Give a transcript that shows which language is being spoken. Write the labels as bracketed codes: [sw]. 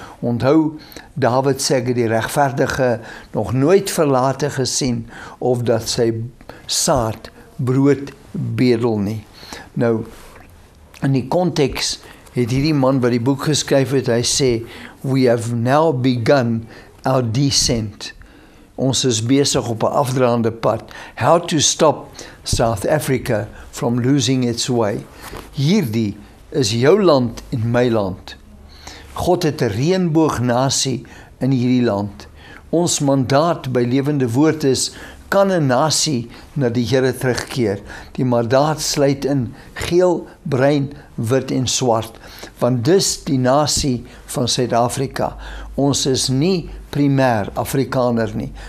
[af] Onthou, David sê ek die regverdige nog nooit verlate gesien, of dat sy saad brood bedel nie. Nou, in die context het hierdie man wat die boek geskryf het, hy sê, [en] we have now begun our descent. [af] Ons is besig op een afdraande pad. [en] How to stop South Africa from losing its way. [af] Hierdie is jou land en my land. God het een reënboognasie in hierdie land. Ons mandaat by Lewende Woord is, kan een nasie na die Heere terugkeer. Die mandaat sluit in geel, bruin, wit en zwart. Want dis die nasie van Suid-Afrika. Ons is nie primair Afrikaner nie.